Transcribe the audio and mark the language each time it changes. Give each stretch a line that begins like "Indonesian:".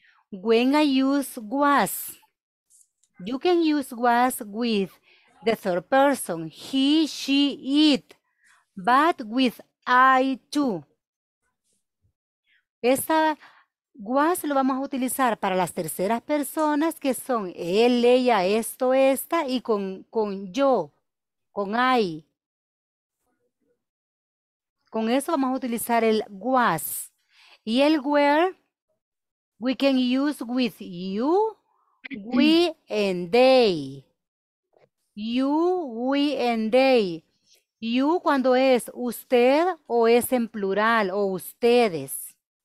English: When I use was, you can use was with the third person, he, she, it, but with I too.
Spanish: Esta was lo vamos a utilizar para las terceras personas que son él, ella, esto, esta y con yo, con I. Con eso vamos a utilizar el was. Y el
English: were, we can use with you, we, and they. You, we, and they.
Spanish: You cuando es usted o es en plural o ustedes.